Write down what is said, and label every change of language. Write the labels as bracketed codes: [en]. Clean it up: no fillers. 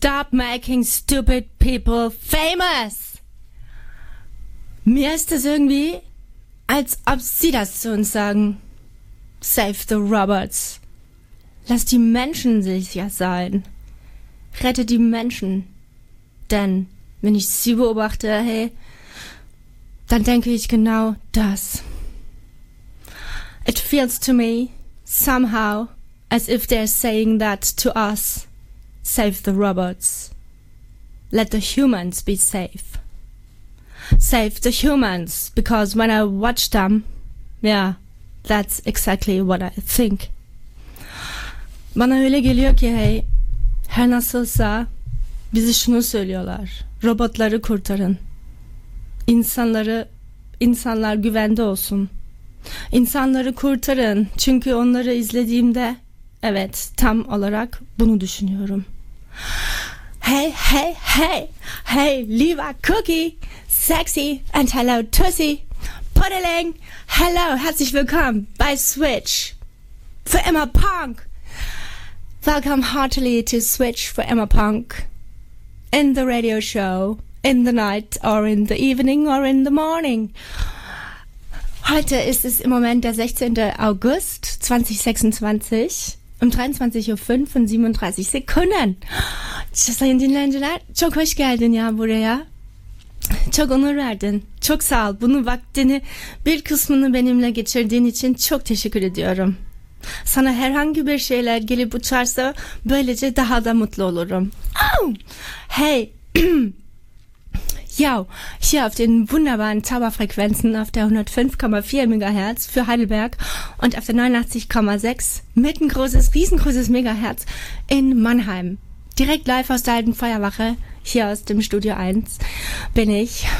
[en] Making stupid people famous. [de] Mir ist es irgendwie, als ob sie das zu uns sagen. [en] Save the robots. [de] Lass die Menschen sicher sein. Rette die Menschen. Denn wenn ich sie beobachte, hey, dann denke ich genau das. [en] It feels to me, somehow, as if they're saying that to us. Save the robots. Let the humans be safe. Save the humans, because when I watch them, yeah, that's exactly what I think. [tr] Bana öyle geliyor ki, hey, her nasılsa bizi şunu söylüyorlar. Robotları kurtarın. İnsanlar güvende olsun. İnsanları kurtarın, çünkü onları izlediğimde, evet, tam olarak bunu düşünüyorum. Hey, hey, hey, hey, lieber Cookie, sexy and hello Tussie. Podeling! [de] Hallo, herzlich willkommen bei Switch Forever Punk! [en] Welcome heartily to Switch Forever Punk in the radio show, in the night or in the evening or in the morning. [de] Heute ist es im Moment der 16. August 2026 um 23.05 und 37 Sekunden. Ich bin in den Ländern. [tr] Çok hoş geldin ya buraya. Çok onur verdin. Çok sağ ol. Bunun vaktini, bir kısmını benimle geçirdiğin için çok teşekkür ediyorum. Sana herhangi bir şeyler gelip uçarsa böylece daha da mutlu olurum. Hey! [de] Ja, hier auf den wunderbaren Zauberfrequenzen auf der 105,4 MHz für Heidelberg und auf der 89,6 mit ein großes, riesengroßes Megahertz in Mannheim. Direkt live aus der alten Feuerwache, hier aus dem Studio 1, bin ich.